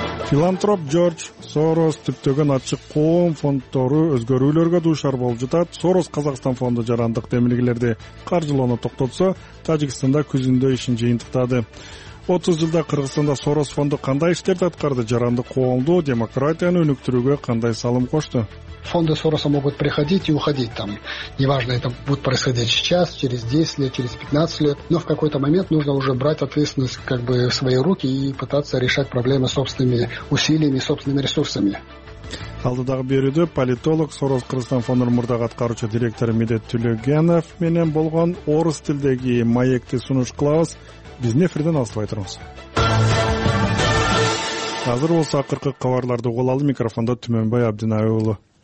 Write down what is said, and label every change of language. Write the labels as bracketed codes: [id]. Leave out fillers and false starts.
[ky] Филантроп Джордж Сорос түптөгөн ачык коом фонддору өзгөрүүлөргө дуушар болуп жатат. Сорос Казакстан фонду жарандык демилгелерди каржылоону токтотсо, Тажикстанда күзүндө ишин жыйынтыктады. 30 жылда Кыргызстанда Сорос фонду кандай иштерди аткарды? Жарандык коомду, демократияны өнүктүрүүгө кандай салым кошту? [ru] Фонды Сороса могут приходить и уходить там. Неважно, это будет происходить сейчас, через 10 лет, через 15 лет. Но в какой-то момент нужно уже брать ответственность как бы в свои руки и пытаться решать проблемы собственными усилиями, собственными ресурсами. [ky] Алдыдагы берүүдө политолог Сорос Кыргызстан фондунун мурдагы аткаруучу директору Медет Түлөгенов менен болгон орус тилдеги маекти сунуш кылабыз. Биздин эфирден алыстабай турабыз. Азыр болсо акыркы кабарларды угуп алалы. Микрофондо Түмөнбай Абдина уулу.